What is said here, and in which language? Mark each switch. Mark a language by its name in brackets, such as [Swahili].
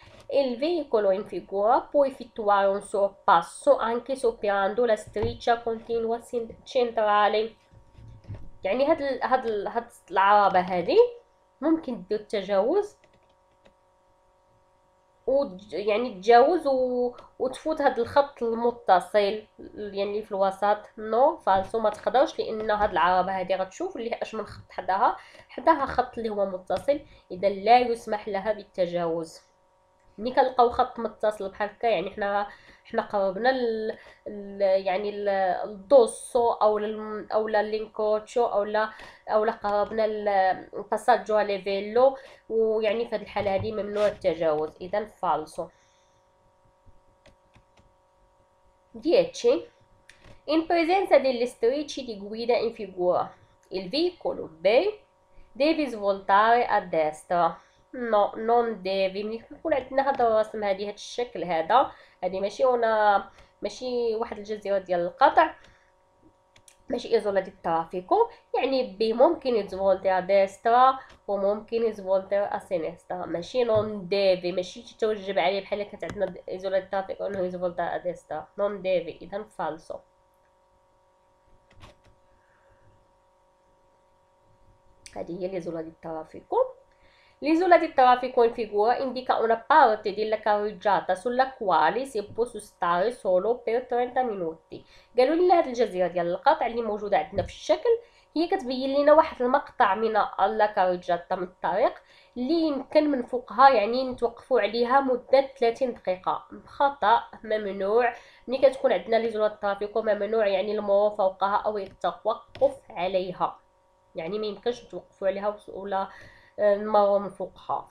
[Italian] Il veicolo in figura può effettuare un sorpasso anche superando la striscia continua centrale. [Arabic] يعني هاد العربة هذه ممكن دير التجاوز و يعني تجاوز وتفوت هاد الخط المتصل يعني في الوسط. نو فالسو، ما تقدرش، لان هاد العربه هادي غتشوف اللي اش من خط حداها، حداها خط اللي هو متصل، اذا لا يسمح لها بالتجاوز. ملي كنلقاو خط متصل بحال هكا، يعني حنا قربنا يعني الدوسو او لا لينكوتشو او لا قربنا الباساجو على فيلو، ويعني في هذه الحاله هذه ممنوع التجاوز. اذا فالسو. 10. [Italian] In presenza delle strisce di guida in figura il veicolo B deve svoltare a destra. No, non devi. [Arabic] ملي كنكون عندنا هاد الرسم هادي هاد الشكل هذا، هادي ماشي هنا، ماشي واحد الجزيرة ديال القطع، ماشي ايزولا ديال الترافيكو، يعني بي ممكن يتفولتي ا ديسترا وممكن يتفولتي ا سينيسترا، ماشي نون ديفي، ماشي تتوجب عليه بحال كانت عندنا ايزولا ديال الترافيكو انه يتفولتي ا ديسترا. نون ديفي، اذا فالسو. هادي هي ليزولا ديال الترافيكو. [Italian] L'isola di traffico in figura indica una parte della carreggiata sulla quale si può stare solo per 30 minuti. [Arabic] قالوا لنا هاد الجزيرة ديال القطع اللي موجودة عندنا في الشكل هي كتبين لنا واحد المقطع من الكارجاتا من الطريق اللي يمكن من فوقها يعني نتوقفوا عليها مدة 30 دقيقة. خطأ، ممنوع. ملي كتكون عندنا ليزولا دي ترافيكو ممنوع يعني المرور فوقها أو التوقف عليها، يعني ما يمكنش توقفوا عليها ولا المرة من فوقها.